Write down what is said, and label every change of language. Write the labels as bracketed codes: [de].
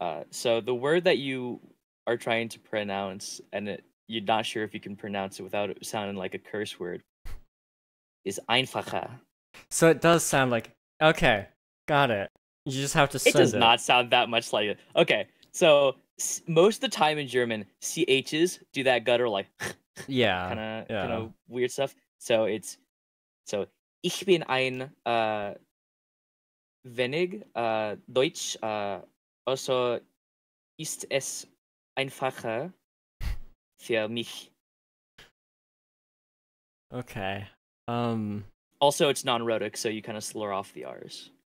[en] So the word that you are trying to pronounce, and it you're not sure if you can pronounce it without it sounding like a curse word, is einfacher. So it does sound like... Okay, got it. You just have to say it. It does not sound that much like it. Okay, so most of the time in German, CHs do that gutter like... Yeah. Kind of weird stuff. [de] So ich bin ein wenig Deutsch, also ist es einfacher. Für mich. [en] Okay. Also, it's non-rhotic, so you kind of slur off the R's.